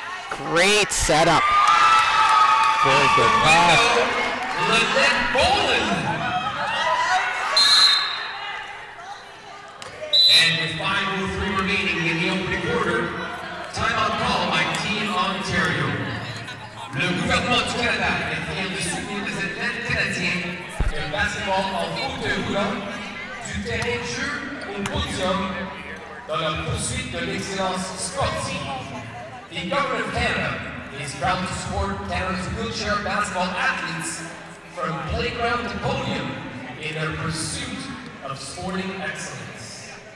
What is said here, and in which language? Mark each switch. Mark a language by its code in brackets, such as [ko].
[en] Great setup. Very good pass. Lynette Bolin. And with 5:03 remaining in the opening quarter, timeout call by Team Ontario. [fr] Le gouvernement du Canada est fier de soutenir les athlètes canadiens de basketball en haut de hula. Du terrain jeu au podium dans la poursuite de l'excellence sportive. [en] The government of Canada is proud to support Canada's wheelchair basketball athletes from playground to podium in their pursuit of of Sporting Excellence.